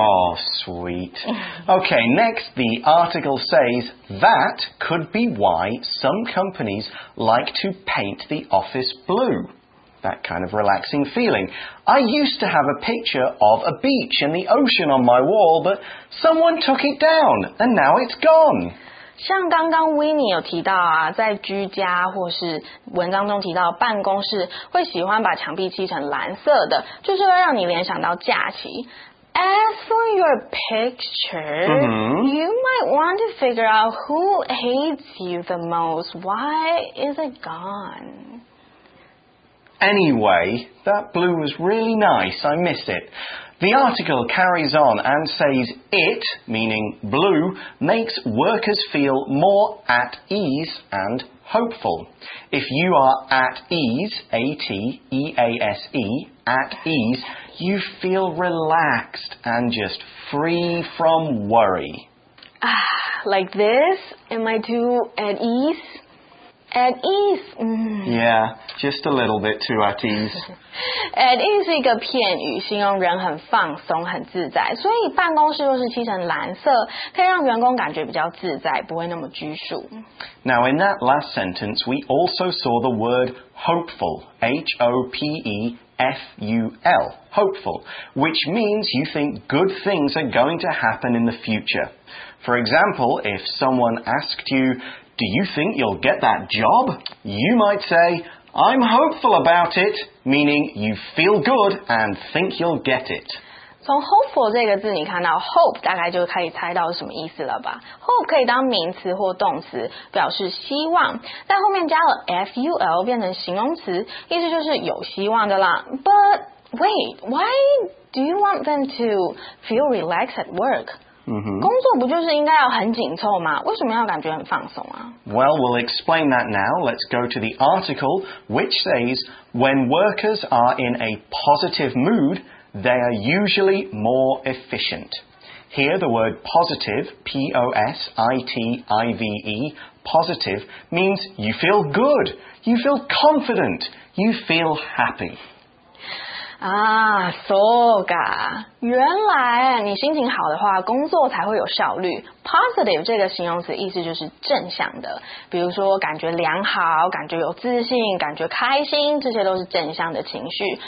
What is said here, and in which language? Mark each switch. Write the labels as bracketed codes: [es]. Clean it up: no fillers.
[en] Oh sweet Okay next the article says That could be why somecompanies like to paint the office blue. That kind of relaxing feeling. I used to have a picture of a beach and the ocean on my wall, but someone took it down and now it's gone. [zh] 像刚刚 Winnie 有提到啊，在居家或是文章中提到办公室会喜欢把墙壁漆成蓝色的，就是会让你联想到假期。 [en] As for your picture, you might want to figure out who hates you the most. Why is it gone? Anyway, that blue was really nice. I miss it. The article carries on and says it, meaning blue, makes workers feel more at ease and hopeful. If you are at ease, A-T-E-A-S-E, at ease,You feel relaxed and just free from worry. Ah, like this? Am I too at ease? At ease.、 Yeah, just a little bit too at ease. [zh] at ease 是一个片语，形容人很放松、很自在。所以办公室若是漆成蓝色，可以让员工感觉比较自在，不会那么拘束。 [en] Now, in that last sentence, we also saw the word hopeful. H-O-P-E-F-U-L. Hopeful, which means you think good things are going to happen in the future. For example, if someone asked you, do you think you'll get that job? You might say, I'm hopeful about it, meaning you feel good and think you'll get it. [zh] 从 hopeful 这个字你看到 hope 大概就可以猜到什么意思了吧。 hope 可以当名词或动词，表示希望，在后面加了 ful 变成形容词，意思就是有希望的啦。 [en] But wait, why do you want them to feel relaxed at work? [zh] 工作不就是应该要很紧凑吗？为什么要感觉很放松啊？ [en] Well, we'll explain that now. Let's go to the article, which says, when workers are in a positive mood, they are usually more efficient. Here, the word positive, P-O-S-I-T-I-V-E, positive, means you feel good, you feel confident, you feel happy. [zh] 啊 ，so ga， 原来你心情好的话，工作才会有效率。 Positive 这个形容词意思就是正向的，比如说感觉良好，感觉有自信，感觉开心，这些都是正向的情绪。